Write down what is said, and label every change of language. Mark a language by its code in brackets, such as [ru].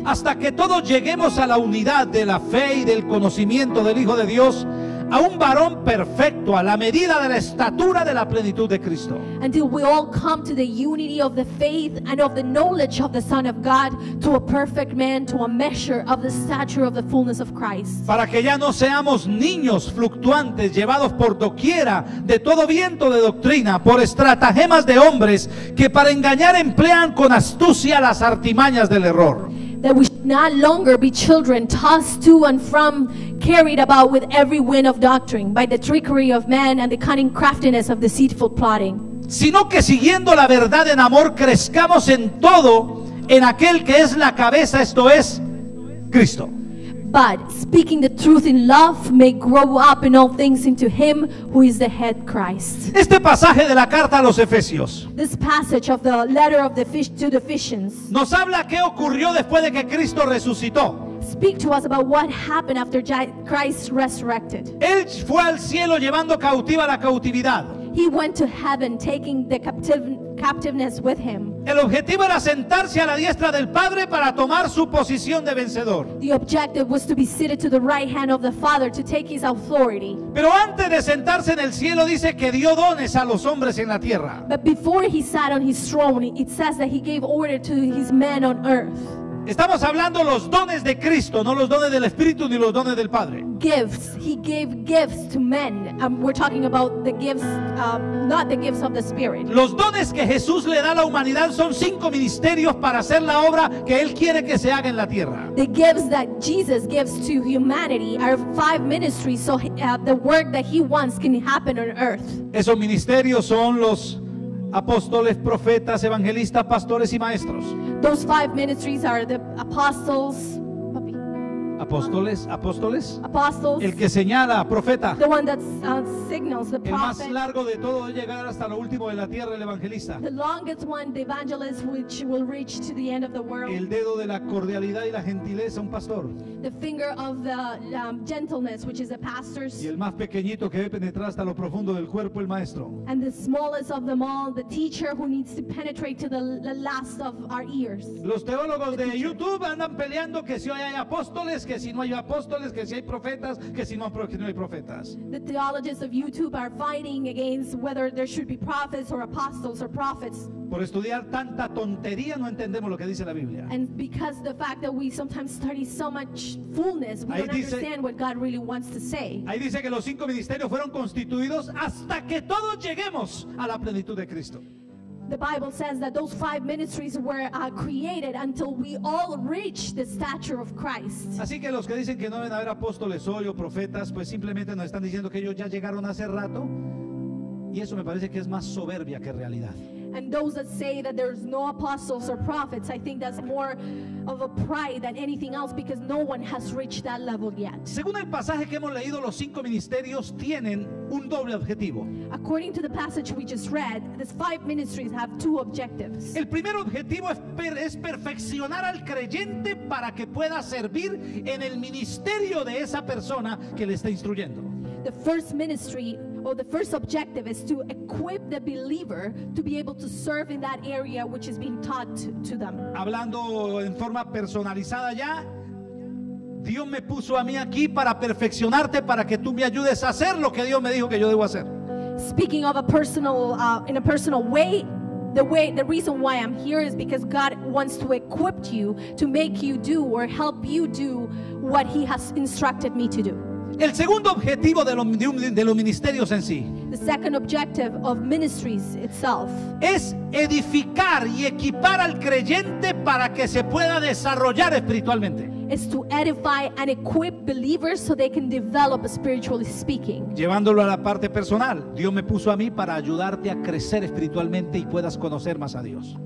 [es] Hasta que todos lleguemos a la unidad de la fe y del conocimiento del Hijo de Dios, a un varón perfecto a la medida de la estatura de la plenitud de Cristo. [en] Until we all come to the unity of the faith and of the knowledge of the Son of God, to a perfect man, to a measure of the stature of the fullness of Christ. [es] Para que ya no seamos niños fluctuantes llevados por doquiera de todo viento de doctrina, por estratagemas de hombres que para engañar emplean con astucia las artimañas del error. [en] That we should not longer be children tossed to and from, carried about with every wind of doctrine, by the trickery of men and the cunning craftiness of deceitful plotting. [es] Sino que siguiendo la verdad en amor crezcamos en todo en aquel que es la cabeza, esto es Cristo. [en] But speaking the truth in love, may grow up in all things into Him who is the head, Christ. [es] Este pasaje de la carta a los Efesios. [en] This passage of the letter of the to the Ephesians. [es] Nos habla qué ocurrió después de que Cristo resucitó. [en] Speak to us about what happened after Christ resurrected. [es] Él fue al cielo llevando cautiva la cautividad. [en] He went to heaven taking the captiveness with him. [es] El objetivo era sentarse a la diestra del Padre para tomar su posición de vencedor. [en] The objective was to be seated to the right hand of the Father to take his authority. [es] Pero antes de sentarse en el cielo dice que dio dones a los hombres en la tierra. [en] But before he sat on his throne, it says that he gave order to his men on earth. [es] Estamos hablando los dones de Cristo, no los dones del Espíritu ni los dones del Padre. [en] Gifts. He gave gifts to men. We're talking about the gifts, not the gifts of the Spirit. [es] Los dones que Jesús le da a la humanidad son cinco ministerios para hacer la obra que Él quiere que se haga en la tierra. [en] The gifts that Jesus gives to humanity are five ministries, so the work that He wants can happen on earth. [es] Esos ministerios son los apóstoles, profetas, evangelistas, pastores y maestros. [en] Those five ministries are the apostles. [es] Apóstoles, apóstoles. [en] Apostles. [es] El que señala, profeta. [en] The one that signals, the prophet. [es] El más largo de todo es llegar hasta lo último de la tierra, el evangelista. [en] The longest one, the evangelist, which will reach to the end of the world. [es] El dedo de la cordialidad y la gentileza, un pastor. [en] The finger of the gentleness, which is a pastor. [es] Y el más pequeñito que debe penetrar hasta lo profundo del cuerpo, el maestro. [en] And the smallest of them all, the teacher, who needs to penetrate to the last of our ears. [es] Los teólogos de YouTube andan peleando que si hoy hay apóstoles, que si no hay apóstoles, que si hay profetas, que si no hay profetas. [en] The theologians of YouTube are fighting against whether there should be prophets or apostles or prophets. [es] Por estudiar tanta tontería no entendemos lo que dice la Biblia. [en] And because the fact that we sometimes study so much fullness, we don't understand what God really wants to say. [es] Ahí dice que los cinco ministerios fueron constituidos hasta que todos lleguemos a la plenitud de Cristo. [en] The Bible says that those five ministries were created until we all reach the stature of Christ. [es] Así que los que dicen que no deben haber apóstoles hoy o profetas, pues simplemente nos están diciendo que ellos ya llegaron hace rato, y eso me parece que es más soberbia que realidad. [en] And those that say that there's no apostles or prophets, I think that's more of a pride than anything else, because no one has reached that level yet. [es] Según el pasaje que hemos leído, los cinco ministerios tienen un doble objetivo. [en] According to the passage we just read, these five ministries have two objectives. [es] El primer objetivo es perfeccionar al creyente para que pueda servir en el ministerio de esa persona que le está instruyendo. [en] The first ministry, well, the first objective is to equip the believer to be able to serve in that area which is being taught to them. [es] Hablando en forma personalizada ya, Dios me puso a mí aquí para perfeccionarte, para que tú me ayudes a hacer lo que Dios me dijo que yo debo hacer. [en] Speaking of a personal, in a personal way, the reason why I'm here is because God wants to equip you to make you do or help you do what He has instructed me to do. [es] El segundo objetivo de los ministerios en sí, [en] the second objective of ministries itself, [es] es edificar y equipar al creyente para que se pueda desarrollar espiritualmente. [en] Is to edify and equip believers so they can develop spiritually speaking. [es] Llevándolo a la parte personal, Dios me puso a mí para ayudarte a crecer espiritualmente y puedas conocer más a Dios.